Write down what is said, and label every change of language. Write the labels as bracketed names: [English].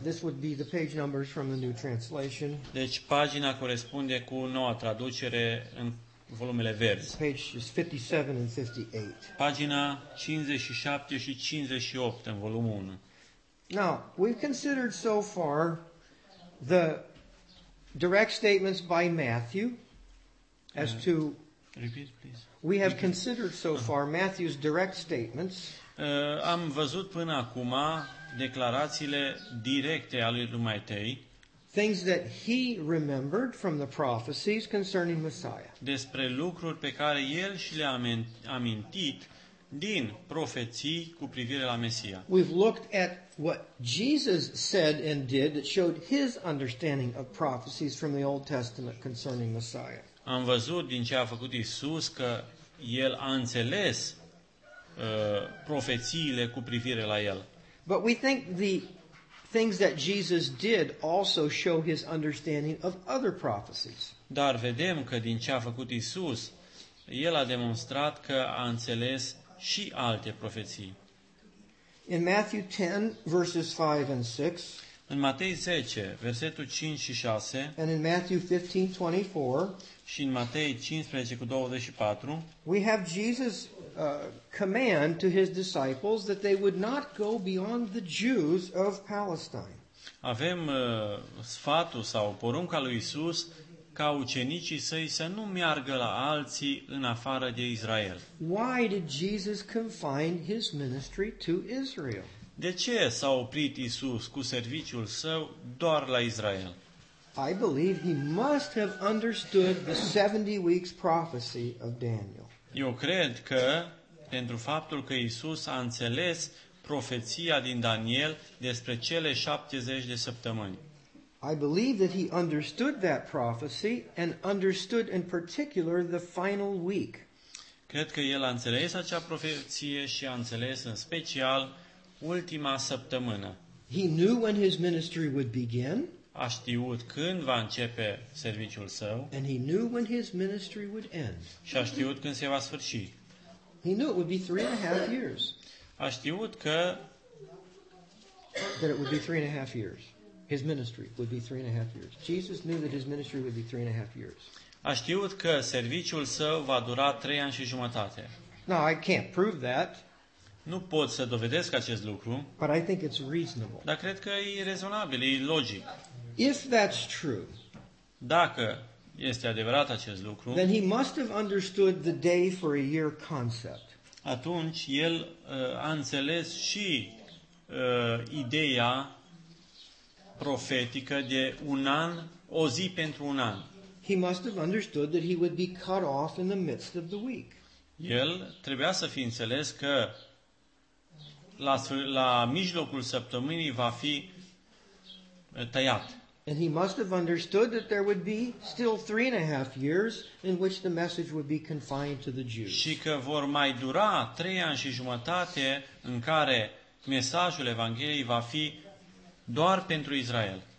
[English] This would be the page numbers from the new translation. [Romanian] Deci pagina corespunde cu noua traducere în volumele verzi. [English] Page 57 and 58. [Romanian] Pagina 57 și 58 în volumul 1. [English] Now, we've considered so far the direct statements by Matthew as to repeat please. We have repeat. Considered so far Matthew's direct statements. [Romanian] Am văzut până acum declarațiile directe ale lui Matei. [English] Things that he remembered from the prophecies concerning Messiah. [Romanian] Despre lucruri pe care el și le-a amintit din profeții cu privire la Mesia. [English] We've looked at what Jesus said and did that showed his understanding of prophecies from the Old Testament concerning Messiah. [Romanian] Am văzut din ce a făcut Iisus că el a înțeles profețiile cu privire la el. [English] But we think the things that Jesus did also show his understanding of other prophecies. [Romanian] Dar vedem că din ce a făcut Isus, el a demonstrat că a înțeles și alte profeții. [English] In Matthew 10 verses 5 and 6. [Romanian] În Matei 10, versetul 5 și 6. [English] And in Matthew 15:24. [Romanian] Și în Matei 15:24. [English] We have Jesus' command to his disciples that they would not go beyond the Jews of Palestine. [Romanian] Avem sfatul sau porunca lui Isus ca ucenicii săi să nu meargă la alții în afară de Israel. [English] Why did Jesus confine his ministry to Israel? [Romanian] De ce s-a oprit Isus cu serviciul său doar la Israel? [English] I believe he must have understood the 70 weeks prophecy of Daniel. [Romanian] Eu cred că pentru faptul că Isus a înțeles profeția din Daniel despre cele 70 de săptămâni. [English] I believe that he understood that prophecy and understood in particular the final week. [Romanian] Cred că el a înțeles acea profeție și a înțeles în special ultima săptămână. [English] He knew when his ministry would begin. [Romanian] A știut când va începe serviciul său. [English] And he knew when his ministry would end. [Romanian] Și a știut când se va sfârși. [English] He knew it would be 3.5 years. [Romanian] A știut că [English] that it would be 3.5 years. His ministry would be 3.5 years. Jesus knew that his ministry would be 3.5 years. [Romanian] A știut că serviciul său va dura 3 ani și jumătate. [English] Now I can't prove that. [Romanian] Nu pot să dovedesc acest lucru. [English] But I think it's reasonable. [Romanian] Dar cred că e rezonabil, e logic. [English] If that's true. [Romanian] Dacă este adevărat acest lucru. [English] Then he must have understood the day for a year concept. [Romanian] Atunci el a înțeles și ideea profetică de un an, o zi pentru un an. [English] He must have understood that he would be cut off in the midst of the week. [Romanian] El trebuia să fi înțeles că la mijlocul săptămânii va fi tăiat. [English] And he must have understood that there would be still 3.5 years in which the message would be confined to the Jews. [Romanian] Și că vor mai dura 3 ani și jumătate în care mesajul Evangheliei va fi doar pentru Israel.